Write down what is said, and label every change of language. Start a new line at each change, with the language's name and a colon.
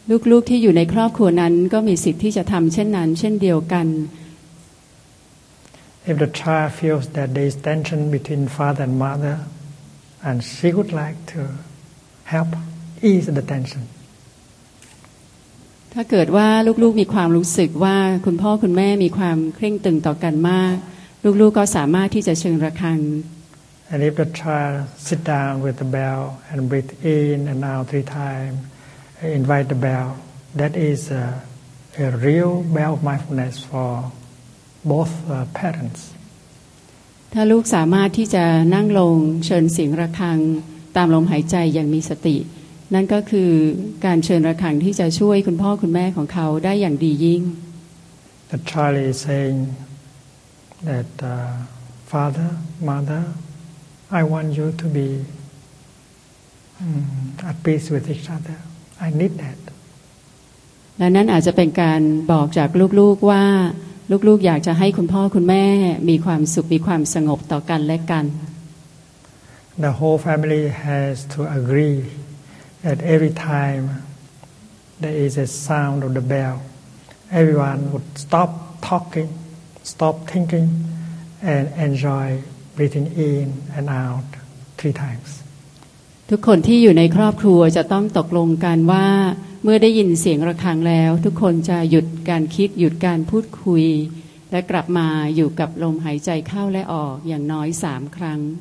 Thai: ลูกๆที่อยู่ในครอบครัวนั้นก็มีสิทธิ์ที่จะทำเช่นนั้นเช่นเดียวกัน
English: If the child feels that there is tension between father and mother and she would like to help ease the tension
Thai: ถ้าเกิดว่าลูกๆมีความรู้สึกว่าคุณพ่อคุณแม่มีความเคร่งตึงต่อกันมากลูกๆ ก็สามารถที่จะเชิญระฆัง
English: And if the child sit down with the bell and breathe in and out 3 timesinvite the bell that is a real bell of mindfulness for both parents
Thai: ถ้าลูกสามารถที่จะนั่งลงเชิญเสียงระฆังตามลมหายใจอย่างมีสตินั่นก็คือการเชิญระฆังที่จะช่วยคุณพ่อคุณแม่ของเขาได้อย่างดียิ่ง
English: The child is saying that father mother I want you to be at peace with each otherI need that.
Thai: และนั่นอาจจะเป็นการบอกจากลูกๆว่าลูกๆอยากจะให้คุณพ่อคุณแม่มีความสุขมีความสงบต่อกันและกัน
English: The whole family has to agree that every time there is a sound of the bell, everyone would stop talking, stop thinking, and enjoy breathing in and out 3 times.
Thai: ทุกคนที่อยู่ในครอบครัวจะต้องตกลงกันว่าเมื่อได้ยินเสียงระฆังแล้วทุกคนจะหยุดการคิดหยุดการพูดคุยและกลับมาอยู่กับลมหายใจเข้าและออกอย่างน้อย3 ครั้ง